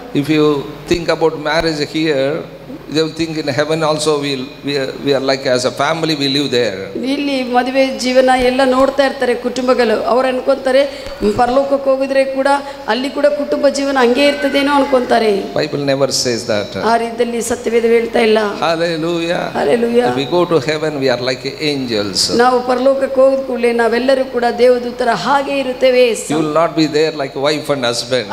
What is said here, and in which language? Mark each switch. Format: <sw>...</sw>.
<en>If you think about marriage here, They will think in heaven also we are like as a family we live there.</en> <kn>ಇಲ್ಲಿ ಮದುವೆ ಜೀವನ ಎಲ್ಲ ನೋಡ್ತಾ ಇರ್ತಾರೆ ಕುಟುಂಬಗಳು ಅವರು ಅನ್ಕೊಂತಾರೆ ಪರಲೋಕಕ್ಕೆ ಹೋಗಿದ್ರೆ ಕೂಡ ಅಲ್ಲಿ ಕೂಡ ಕುಟುಂಬ ಜೀವನ ಹಂಗೆ ಇರ್ತದೇನೋ ಅನ್ಕೊಂತಾರೆ.</kn> <en>Bible never says that.</en> <kn>ಆ ರೀತಿಯಲ್ಲಿ ಸತ್ಯವೇದ ಹೇಳ್ತಾ ಇಲ್ಲ. Hallelujah. Hallelujah.</kn> <en>We go to heaven we are like angels.</en> <kn>ನಾವು ಪರಲೋಕಕ್ಕೆ ಹೋಗಿದ ಕೂಡಲೇ ನಾವೆಲ್ಲರೂ ಕೂಡ ದೇವದೂತರ ಹಾಗೆ ಇರುತ್ತೇವೆ.</kn> <en>You will not be there like wife and husband.</en>